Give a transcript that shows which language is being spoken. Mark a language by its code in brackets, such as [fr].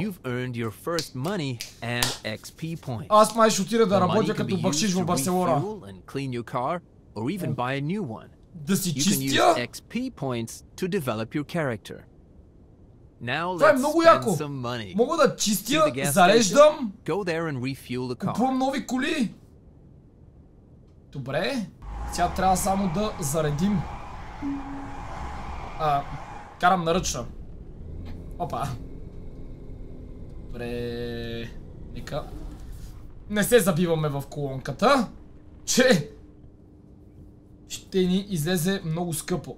[en] You've earned your first money and XP points. [bg] Аз май шутира да работя като бакшиш в Барселона. [en] And clean your car or even buy a new one. [bg] Да си чистя? [en] You can use XP points to develop your character. Now let's spend some money. [bg] Мога да чистя, зареждам. [en] Go there and refuel the car. [bg] Купувам нови коли. Добре. Сега трябва само да заредим. Карам наръчна. Опа. Добре. Нека. Не се забиваме в колонката. Че. Ще ни излезе много скъпо.